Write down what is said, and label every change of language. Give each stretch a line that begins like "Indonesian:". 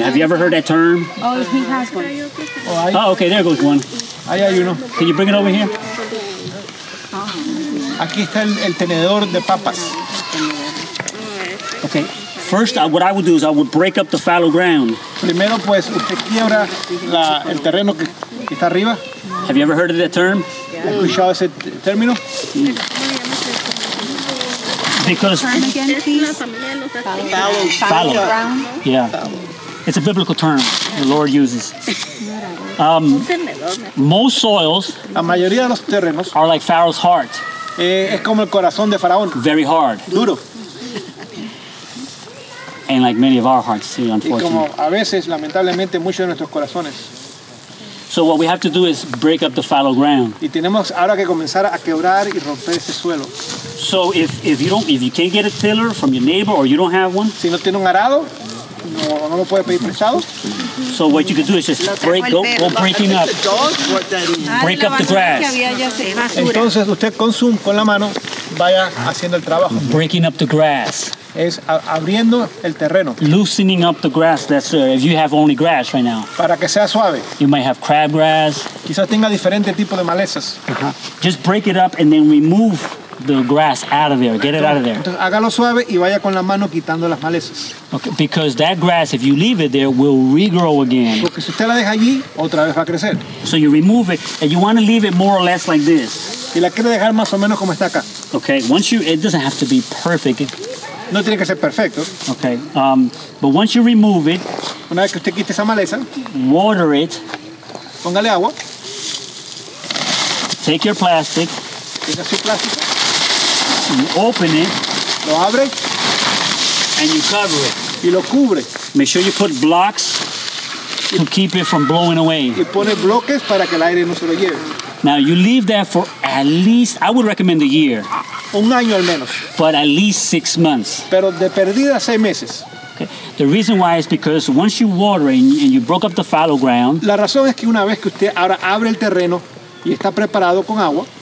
English: Have you ever heard that term? Oh, he has one. Oh, okay, there goes one.
Spanish: Ahí hay uno.
English: Can you bring it over here?
Spanish: Aquí está el tenedor de papas.
English: Okay. First, what I would do is I would break up the fallow ground.
Spanish: Primero, pues, usted quiebra el terreno que está arriba.
English: Have you ever heard of that term?
Spanish: ¿Has escuchado ese término?
English: Because fallow ground. Yeah. It's a biblical term the Lord uses. Most soils,
Spanish: la mayoría de los terrenos,
English: are like Pharaoh's heart.
Spanish: Es como el corazón de Faraón.
English: Very hard.
Spanish: Duro.
English: And like many of our hearts too, unfortunately.
Spanish: Y como a veces, lamentablemente, muchos de nuestros corazones.
English: So what we have to do is break up the fallow ground.
Spanish: Y tenemos ahora que comenzar a quebrar y romper ese suelo.
English: So if you can't get a tiller from your neighbor or you don't have one,
Spanish: si no tiene un arado, no lo puede pedir prestado.
English: So what you can do is just break up the grass.
Spanish: Entonces usted con la mano vaya haciendo el trabajo.
English: Breaking up the grass.
Spanish: es abriendo el terreno.
English: Loosening up the grass. That's if you have only grass right now.
Spanish: Para que sea suave.
English: You might have crabgrass.
Spanish: Quizás tenga diferente tipo de malezas.
English: Just break it up and then remove the grass out of there. Get it out of there.
Spanish: Entonces, hágalo suave y vaya con la mano quitando las malezas.
English: Okay, because that grass, if you leave it there, will regrow again.
Spanish: Porque si usted la deja allí, otra vez va a crecer.
English: So you remove it, and you want to leave it more or less like this.
Spanish: Y la quiere dejar más o menos como está acá.
English: Okay, once you, it doesn't have to be perfect.
Spanish: No tiene que ser perfecto.
English: Okay, but once you remove it,
Spanish: una vez que usted quite esa maleza,
English: water it.
Spanish: Póngale agua.
English: Take your plastic.
Spanish: Tenga su plástico.
English: You open it,
Spanish: lo abre,
English: and you cover it.
Spanish: Y lo cubre.
English: Make sure you put blocks to keep it from blowing away.
Spanish: Y pone bloques para que el aire no se lo lleve.
English: Now you leave that for at least, I would recommend a year.
Spanish: Un año al menos.
English: But at least 6 months.
Spanish: Pero de perdida 6 meses.
English: Okay. The reason why is because once you water it and you broke up the fallow ground.
Spanish: La razón es que una vez que usted ahora abre el terreno y está preparado con agua.